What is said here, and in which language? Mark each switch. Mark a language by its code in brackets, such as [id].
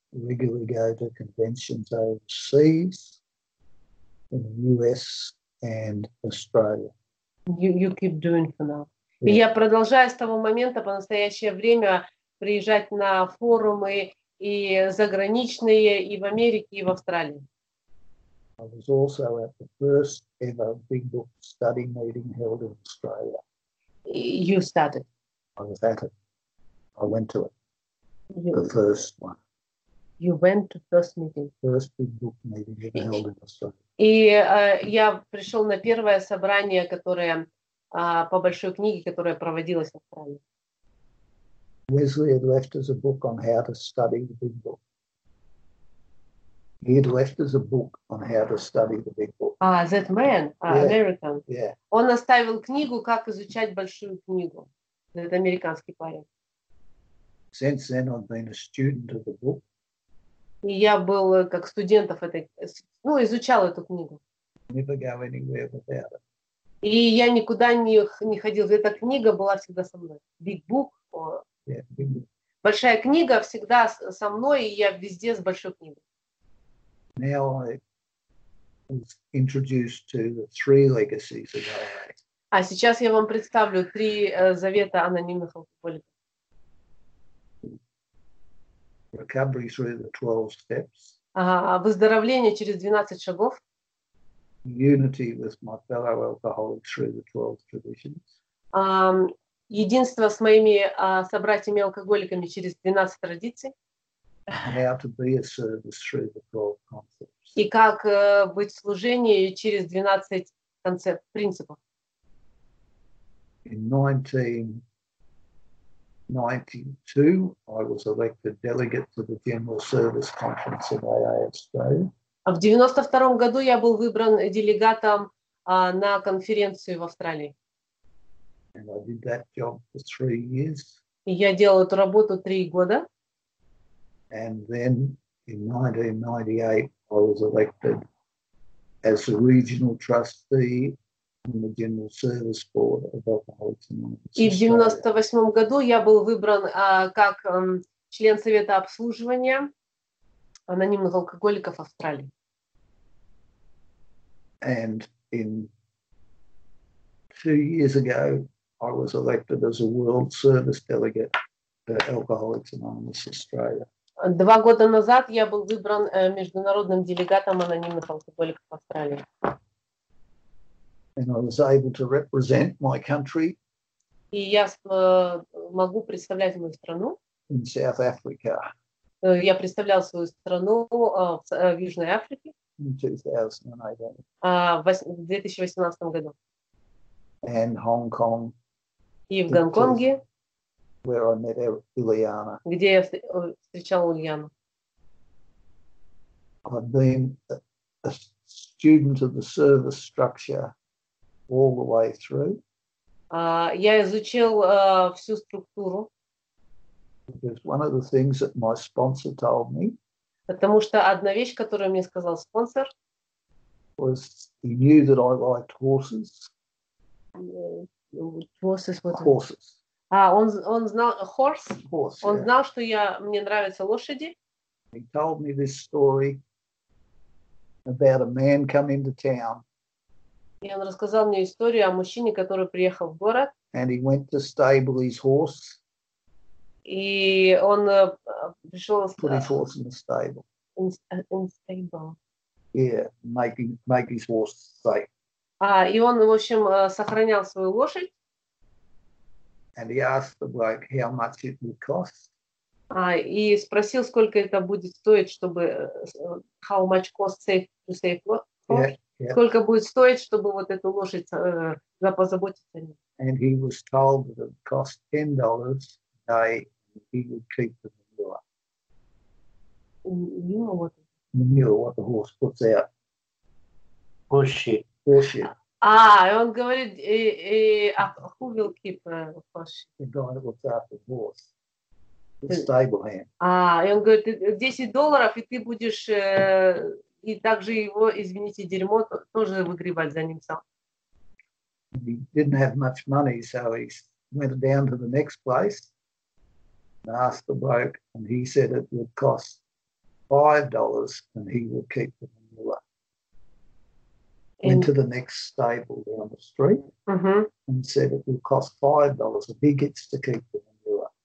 [en] Regularly go to conventions overseas in the US and Australia. You keep doing for now. [ru] Yeah. И я продолжаю с того момента по настоящее время приезжать на форумы и заграничные, и в Америке, и в Австралии. [en] I was also at the first ever Big Book study meeting held in Australia. You started. I was at it. I went to it. The first one. You went to first meeting. First Big Book meeting ever held in Australia. [ru] И я пришел на первое собрание, которое... по большой книге, которая проводилась в Австралии. [en] Wesley had left us a book on how to study the Big Book. He had left us a book on how to study the Big Book. That man, American. Yeah. [ru] Он оставил книгу, как изучать большую книгу. Это американский парень. [en] Since then, I've been a student of the book. [ru] И я был как студентов этой, ну, изучал эту книгу. [en] Never go anywhere without it. [ru] И я никуда не ходил. Эта книга была всегда со мной. [en] Big Book. Yeah, big book. [ru] Большая книга всегда со мной, и я везде с большой книгой. [en] Now I was introduced to the three legacies of AA. [ru] А сейчас я вам представлю три завета анонимных алкоголиков. [en] Recovery through the 12 steps. [ru] Выздоровление через 12 шагов. [en] Unity with my fellow alcoholics through the 12 traditions. [ru] Единство с моими собратьями алкоголиками через 12 традиций. [en] How to be a service through the 12 concepts. [ru] И как быть в служении через 12 концепт принципов. [en] In 19 92, I was elected delegate to the General Service Conference of AA Australia. [ru] А в 92-м году я был выбран делегатом на конференцию в Австралии. [en] And I did that job for 3 years. [ru] И я делал эту работу 3 года. [en] And then in 1998, I was elected as a regional trustee on the General Service Board of Alcoholics Anonymous. [ru] И в 98-м году я был выбран как член совета обслуживания анонимных алкоголиков Австралии. [en] And in 2 years ago, I was elected as a World Service Delegate for Alcoholics Anonymous Australia. [ru] 2 года назад я был выбран международным делегатом анонимных алкоголиков Австралии. [en] And I was able to represent my country. [ru] И я могу представлять мою страну. [en] In South Africa. [ru] Я представлял свою страну в Южной Африке. [en] In 2008. [ru] В 2018 году. [en] And Hong Kong. [ru] И в Гонконге. [en] Where I met Ileana. [ru] Где я встречал Ульяну. [en] I've been a student of the service structure all the way through. [ru] Я изучил всю структуру. [en] Because one of the things that my sponsor told me. [ru] Потому что одна вещь, которую мне сказал спонсор. [en] Was he knew that I liked horses. Horses, what? Horses. [ru] Он знал horse. [en] Horse. [ru] Он знал, что мне нравятся лошади. [en] He told me this story about a man coming to town. [ru] И он рассказал мне историю о мужчине, который приехал в город. [en] And he went to stable his horse. [ru] И он пришел. [en] Put his horse in the stable. In stable. Yeah, make his horse safe. [ru] И он, в общем, сохранял свою лошадь. [en] And he asked the bloke how much it would cost. [ru] И спросил, сколько это будет стоить, чтобы [en] how much cost safe horse. Yeah, yeah. [ru] Сколько будет стоить, чтобы вот эту лошадь позаботиться о ней. [en] And he was told that it cost $10 a day and he would keep the manure. Manure, what the horse puts out. Horseshit. [ru] И он говорит, [en] who will keep horse? The guy that looks after the horse. The stable hand. [ru] И он говорит, $10, и ты будешь и также его, извините, дерьмо тоже выгребать за ним сам. [en] He didn't have much money, so he went down to the next place and asked the bloke, and he said it would cost $5 and he would keep the manure. Went to the next stable down the street and said it will cost $5 if he gets to keep the manure.